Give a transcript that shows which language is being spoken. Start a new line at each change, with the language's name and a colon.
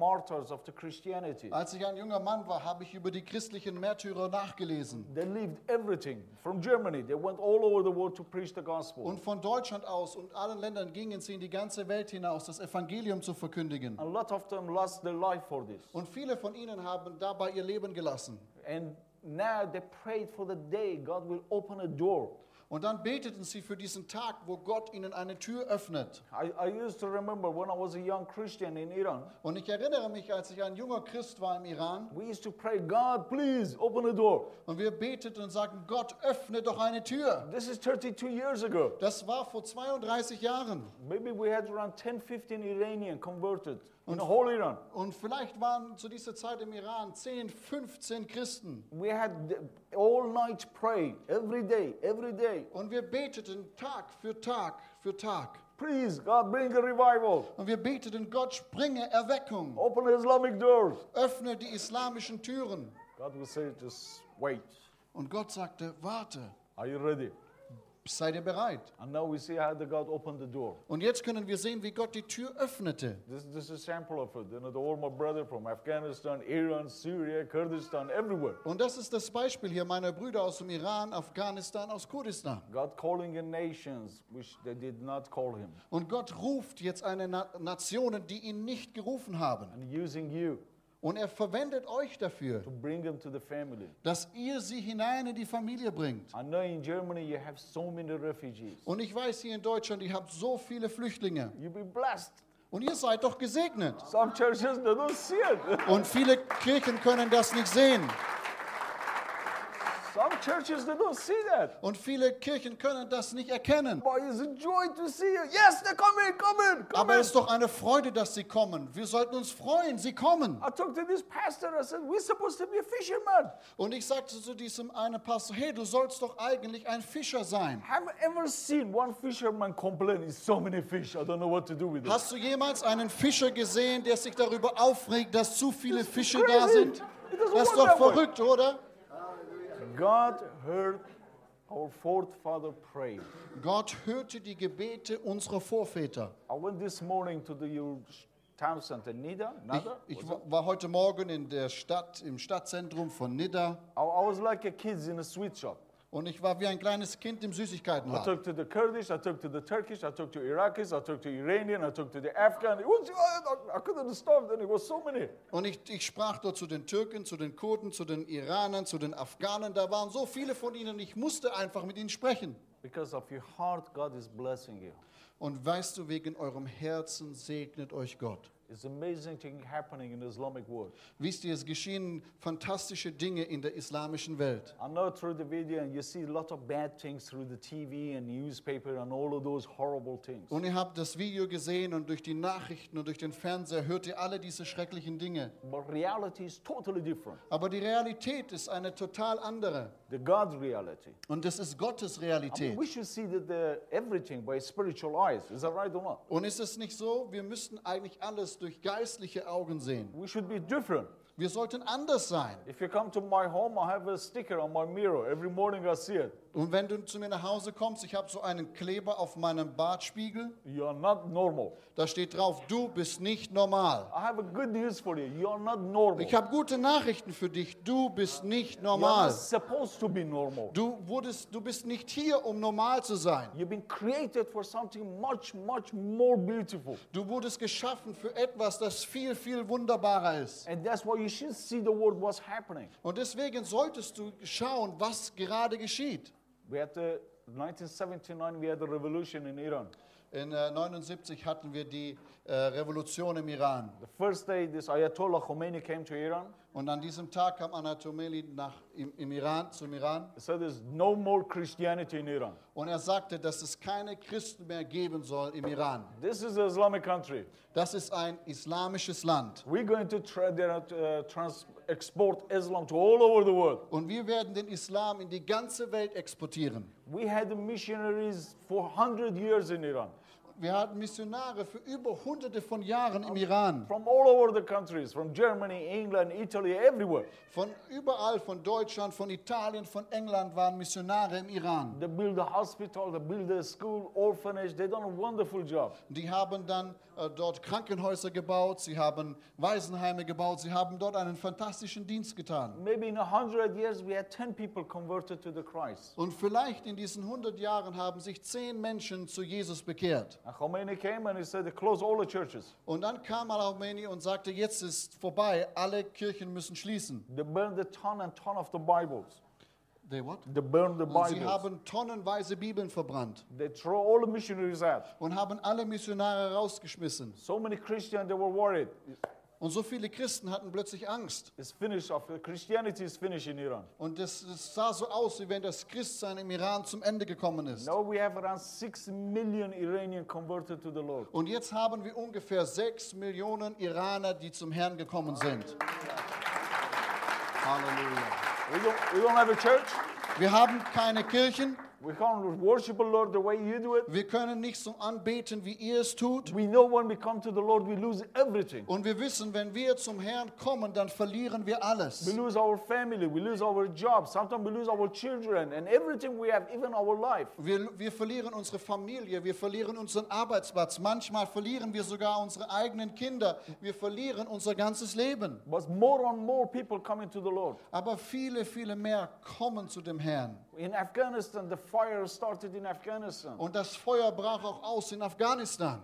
German: Als ich ein junger Mann war, habe ich über die christlichen Märtyrer nachgelesen.
English: They lived everything from Germany. They went all over the world to preach the gospel.
German: Und von Deutschland aus und allen Ländern gingen sie in die ganze Welt hinaus, das Evangelium zu verkündigen.
English: A lot of them lost their life for this.
German: Und viele von ihnen haben dabei ihr Leben gelassen.
English: And now they prayed for the day God will open a door.
German: Und dann beteten sie für diesen Tag, wo Gott ihnen eine Tür öffnet.
English: I used to remember when I was a young Christian in Iran.
German: Und ich erinnere mich, als ich ein junger Christ war im Iran.
English: We used to pray, God, please open a door.
German: Und wir beteten und sagten, Gott, öffne doch eine Tür.
English: This is 32 years ago.
German: Das war vor 32 Jahren.
English: Maybe we had around 10, 15 Iranian converted. In the whole Iran.
German: Und vielleicht waren zu dieser Zeit im Iran 10, 15 Christen.
English: We had all night pray, every day, every day.
German: Und wir beteten Tag für Tag für Tag.
English: Please, God, bring a revival.
German: Und wir beteten, Gott, bringe Erweckung.
English: Open the Islamic doors.
German: Öffne die islamischen Türen.
English: God will say, just wait.
German: Und Gott sagte, warte.
English: Are you ready?
German: Seid ihr bereit?
English: And now we see how the God opened the door.
German: Und jetzt können wir sehen, wie Gott die Tür öffnete.
English: This is a sample of it. You know, all my brother from Afghanistan, Iran, Syria, Kurdistan, everywhere.
German: Und das ist das Beispiel hier meiner Brüder aus dem Iran, Afghanistan, aus Kurdistan.
English: God calling in nations which they did not call him.
German: Und Gott ruft jetzt eine Nationen, die ihn nicht gerufen haben.
English: And using you.
German: Und er verwendet euch dafür, to bring them to the family. Dass ihr sie hinein in die Familie bringt.
English: I know in Germany you have so many refugees.
German: Und ich weiß, hier in Deutschland, ihr habt so viele Flüchtlinge.
English: You'll be blessed.
German: Und ihr seid doch gesegnet.
English: Some churches don't see it.
German: Und viele Kirchen können das nicht sehen.
English: Some churches they don't see that.
German: Und viele Kirchen können das nicht erkennen.
English: Boy, it's a joy to see you. Yes, they're coming, coming, coming.
German: Aber es ist doch eine Freude, dass sie kommen. Wir sollten uns freuen, sie kommen.
English: I talked to this pastor. I said, we're supposed to be a fisherman.
German: Und ich sagte zu diesem einen Pastor, hey, du sollst doch eigentlich ein Fischer sein.
English: Have you ever seen one fisherman complain? It's so many fish. I don't know what to do with it.
German: Hast du jemals einen Fischer gesehen, der sich darüber aufregt, dass zu viele Fische da sind? Das ist doch verrückt, oder?
English: God heard our forefather pray.
German: Gott hörte die Gebete unserer Vorväter.
English: I went this morning to the town center Nida.
German: Ich war heute Morgen in der Stadt im Stadtzentrum von Nida.
English: I was like a kid in a sweet shop.
German: Und ich war wie ein kleines Kind im Süßigkeitenladen.
English: I talked to the Kurdish, I talked to the Turkish, I talked to Iraqis, I talked to Iranian, I talked to the Afghan. I couldn't stop, then it was so many.
German: Und ich sprach dort zu den Türken, zu den Kurden, zu den Iranern, zu den Afghanen. Da waren so viele von ihnen, ich musste einfach mit ihnen sprechen.
English: Because of your heart, God is blessing you.
German: Und weißt du, wegen eurem Herzen segnet euch Gott.
English: It's amazing things happening in the Islamic world.
German: Wisst ihr, es geschehen fantastische Dinge in der islamischen Welt.
English: I know through the video and you see a lot of bad things through the TV and newspaper and all of those horrible things.
German: Und ihr habt das Video gesehen und durch die Nachrichten und durch den Fernseher hört ihr alle diese schrecklichen Dinge.
English: But reality is totally different.
German: Aber die Realität ist eine total andere.
English: The God's reality.
German: Und das ist Gottes Realität.
English: I mean, we should see that everything by spiritual eyes. Is that right or not?
German: Und ist es nicht so? Wir müssten eigentlich alles durch geistliche Augen sehen.
English: We should be different.
German: Wir sollten anders sein.
English: If you come to my home, I have a sticker on my mirror. Every morning I see it.
German: Und wenn du zu mir nach Hause kommst, ich habe so einen Kleber auf meinem Bartspiegel.
English: You are not normal.
German: Da steht drauf, du bist nicht normal.
English: I have a good news for you. You are not normal.
German: Ich habe gute Nachrichten für dich. Du bist nicht normal.
English: You are not supposed to be normal.
German: Du bist nicht hier, um normal zu sein.
English: You've been created for something much, much more beautiful.
German: Du wurdest geschaffen für etwas, das viel, viel wunderbarer ist.
English: And that's why you should see the world what's happening.
German: Und deswegen solltest du schauen, was gerade geschieht.
English: We had the 1979. We had the revolution in Iran.
German: In 79 hatten wir die Revolution im Iran.
English: The first day, this Ayatollah Khomeini came to Iran.
German: Und an diesem Tag kam Ayatollah Khomeini nach Iran zum Iran.
English: He said there's no more Christianity in Iran.
German: Und sagte, dass es keine Christen mehr geben soll im Iran.
English: This is an Islamic country.
German: Das ist ein islamisches Land.
English: We're going to export Islam to all over the world.
German: Und wir werden den Islam in die ganze Welt exportieren.
English: We had missionaries for 100 years in Iran.
German: Wir hatten Missionare für über hunderte von Jahren im Iran.
English: From all over the countries, from Germany, England, Italy, everywhere.
German: Von überall, von Deutschland, von Italien, von England waren Missionare im Iran.
English: They build a hospital, they build a school, orphanage. They done a wonderful job.
German: Die haben dann dort Krankenhäuser gebaut, sie haben Waisenheime gebaut, sie haben dort einen fantastischen Dienst getan.
English: Maybe in 100 years we had 10 people converted to the Christ.
German: Und vielleicht in diesen 100 Jahren haben sich 10 Menschen zu Jesus bekehrt.
English: And Khomeini came and he said, close all the churches.
German: Und dann kam Al-Khomeini und sagte, jetzt ist vorbei, alle Kirchen müssen schließen.
English: They burned a ton and ton of the Bibles. They what? They burned the Bibles.
German: Und sie haben tonnenweise Bibeln verbrannt.
English: They threw all the missionaries out.
German: Und haben alle Missionare rausgeschmissen.
English: So many Christians, they were worried.
German: Und so viele Christen hatten plötzlich Angst.
English: It's finished. Of Christianity is finished in Iran.
German: Und es sah so aus, wie wenn das Christsein im Iran zum Ende gekommen ist.
English: Now we have around 6 million Iranians converted to the Lord.
German: Und jetzt haben wir ungefähr 6 Millionen Iraner, die zum Herrn gekommen sind.
English: Halleluja. We don't have a church.
German: Wir haben keine Kirchen.
English: We can't worship the Lord the way you do it.
German: Wir können nicht so anbeten, wie ihr es tut.
English: We know when we come to the Lord, we lose everything.
German: Und wir wissen, wenn wir zum Herrn kommen, dann verlieren wir alles.
English: We lose our family, we lose our job, sometimes we lose our children and everything we have, even our life.
German: Wir verlieren unsere Familie, wir verlieren unseren Arbeitsplatz, manchmal verlieren wir sogar unsere eigenen Kinder, wir verlieren unser ganzes Leben.
English: But more and more people coming to the Lord.
German: Aber viele, viele mehr kommen zu dem Herrn.
English: In Afghanistan, the fire started in Afghanistan.
German: Und das Feuer brach auch aus in Afghanistan.